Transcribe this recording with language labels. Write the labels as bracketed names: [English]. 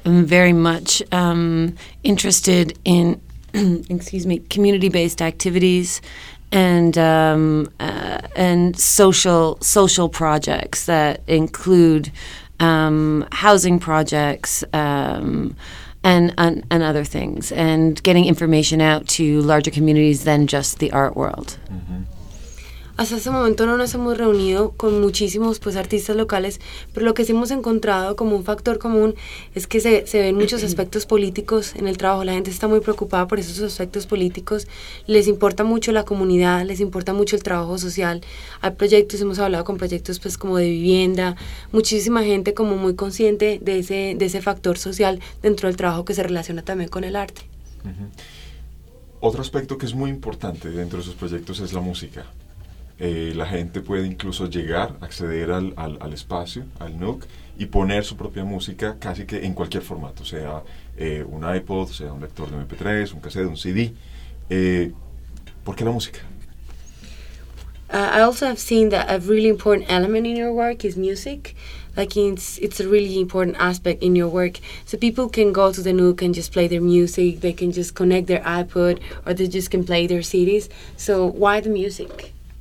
[English] I'm very much interested in community-based activities and social projects that include housing projects and other things, and getting information out to larger communities than just the art world. [Spanish] Hasta ese momento no nos hemos reunido con muchísimos pues artistas locales, pero lo que sí hemos encontrado como un factor común es que se ven muchos aspectos políticos en el trabajo. La gente está muy preocupada por esos aspectos políticos, les importa mucho la comunidad, les importa mucho el trabajo social. Hay proyectos, hemos hablado con proyectos pues como de vivienda, muchísima gente como muy consciente de ese factor social dentro del trabajo que se relaciona también con el arte. Uh-huh. Otro aspecto que es muy importante dentro de sus proyectos es la música. La gente puede incluso llegar, acceder al espacio, al NUC, y poner su propia música casi que en cualquier formato, sea un iPod, sea un lector de MP3, un cassette, un CD. ¿Por qué la música? [English] I also have seen that a really important element in your work is music. Like, it's a really important aspect in your work. So people can go to the NUC and just play their music, they can just connect their iPod, or they just can play their CDs. So why the music?